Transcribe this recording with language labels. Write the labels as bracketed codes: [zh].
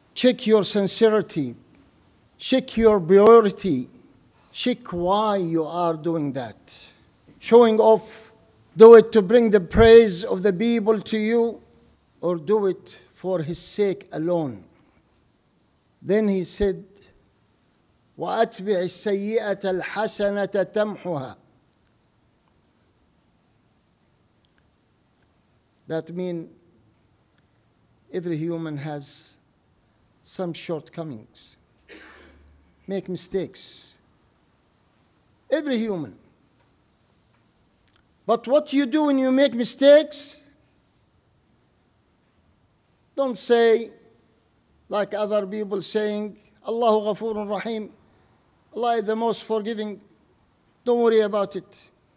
[en] Check your sincerity, check your priority, check why you are doing that. Showing off, do it to bring the praise of the people to you, or do it for his sake alone. Then he said, [ar] وَأَتْبِعِ السَّيِّئَةَ الْحَسَنَةَ تَمْحُهَا. [en] That means every human has some shortcomings, make mistakes. Every human. But what you do when you make mistakes, don't say, like other people saying, [ar] Allahu Ghafurun Rahim, [en] Allah is the most forgiving, don't worry about it.